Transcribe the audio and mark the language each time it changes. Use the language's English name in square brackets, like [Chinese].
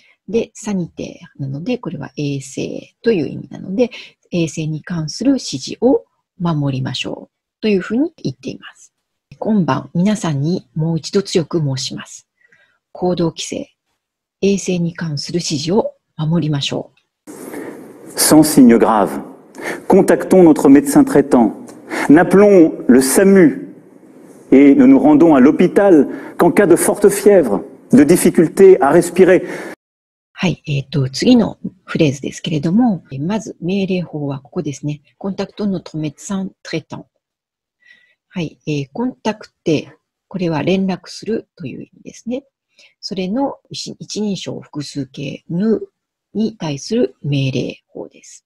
[Japanese] で、サニテールなので、これは衛生という意味なので、衛生に関する指示を守りましょう。というふうに言っています。今晩、皆さんにもう一度強く申します。行動規制、衛生に関する指示を守りましょう。 [French] Sans signe grave, contactons notre médecin traitant. N'appelons le SAMU et ne nous rendons à l'hôpital qu'en cas de forte fièvre de difficulté à respirer. [Japanese] はい、次のフレーズですけれども、まず命令法はここですね。コンタクトノトメッサン、トレタン。はい、コンタクテ、これは連絡するという意味ですね。それの一人称複数形、ヌに対する命令法です。